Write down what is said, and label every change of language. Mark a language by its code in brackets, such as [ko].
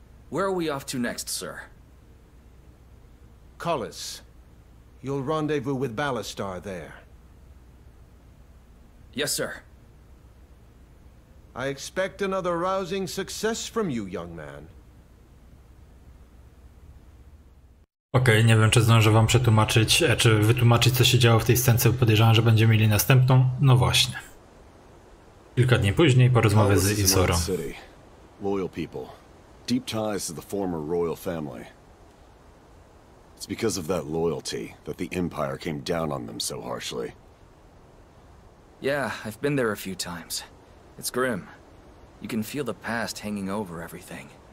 [en] Where are we off to next, sir? Collis. You'll rendezvous with Ballastar there. Yes, sir. I expect another rousing success from you, young man. [pl] Okej, nie wiem, czy zdążę wam przetłumaczyć, czy wytłumaczyć, co się działo w tej scence, bo podejrzewam, że będziemy mieli następną. No właśnie. Kilka dni później po rozmowie z Isorą. [en] Loyal people. Deep ties to the former royal family. It's because of that loyalty that the Empire came down on them so harshly. Yeah, I've been there a few times. It's grim. You can feel the past hanging over everything.